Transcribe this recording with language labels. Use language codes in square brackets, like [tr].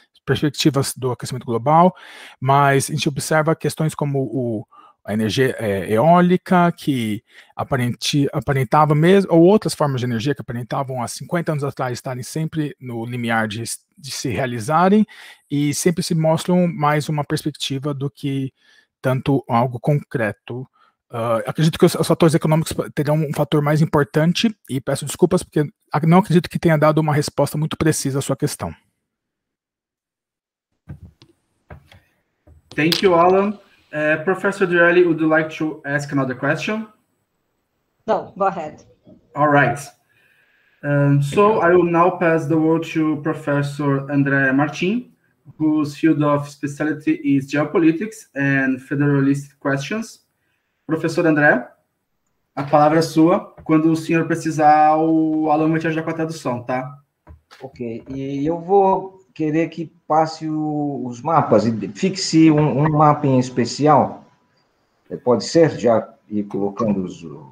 [pt] perspectivas do aquecimento global, mas a gente observa questões como a energia eólica, que aparentava mesmo, ou outras formas de energia que aparentavam há 50 anos atrás estarem sempre no limiar de se realizarem, e sempre se mostram mais uma perspectiva do que tanto algo concreto. Acredito que os fatores econômicos terão um fator mais importante, e peço desculpas, porque não acredito que tenha dado uma resposta muito precisa à sua questão. [en] Thank you, Alan. Professor Drielli, would you like to ask another question? No, go ahead. All right. So I will now pass the word to Professor André Martin, whose field of specialty is geopolitics and federalist questions. [pt] Professor André, a palavra é sua. Quando o senhor precisar, o Alan vai te ajudar com a tradução, tá? Ok, e eu vou querer que passe os mapas e fixe um mapa em especial, pode ser, já ir colocando os...